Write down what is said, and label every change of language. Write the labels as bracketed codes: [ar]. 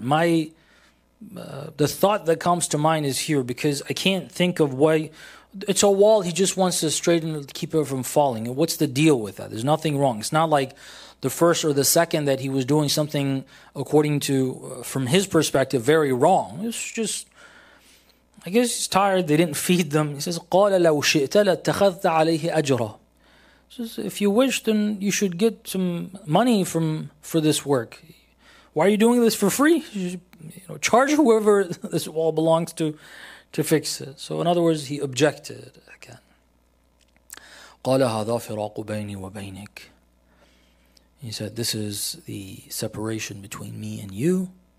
[en] The thought that comes to mind is here, because I can't think of why. It's a wall, he just wants to straighten it, keep it from falling. What's the deal with that? There's nothing wrong. It's not like the first or the second that he was doing something, according to, from his perspective, very wrong. It's just, I guess he's tired, they didn't feed them. He says, [ar] قَالَ لَوْ شِئْتَ لَاتَّخَذْتَ عَلَيْهِ أَجْرًا. [en] He says, if you wish, then you should get some money for this work. Why are you doing this for free? You know, charge whoever this wall belongs to fix it. So in other words, he objected again. [ar] قَالَ هَذَا فِرَاقُ بَيْنِي وَبَيْنِكَ. [en] He said, this is the separation between me and you.